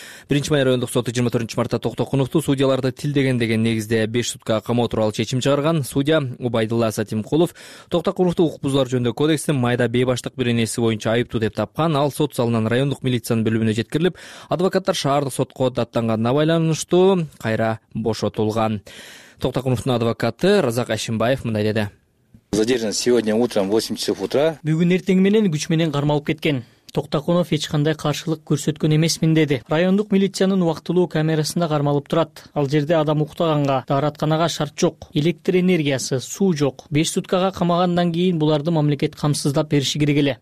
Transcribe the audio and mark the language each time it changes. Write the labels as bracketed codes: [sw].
[ky] 1-май райондук соту 24 мартта Токтокуновду судьяларды тилдеген деген негизде 5 сутка камоо тууралуу чечим чыгарган. Судья Убайдулла Сатимкулов Токтокуновду укук бузуулар жөнүндөгү кодекстин майда бейбаштык беренеси боюнча айыптуу деп тапкан. Ал сот залынан райондук милициянын бөлүмүнө жеткирилип, адвокаттар шаардык сотко даттанганына байланыштуу кайра бошотулган. Токтокуновдун адвокаты Разак Ашимбаев мындай деди: [ru] Задержан сегодня утром 8 часов утра. [ky] Бүгүн эртең менен күч менен кармалып кеткен. Токтокунов эч кандай каршылык көрсөткөн эмесмин деди. Райондук милициянын убактылуу камерасында кармалып турат. Ал жерде адам уктаганга, дааратканага шарт жок, электр энергиясы, суу жок. 5 суткага камагандан кийин буларды мамлекет камсыздап бериши керек эле.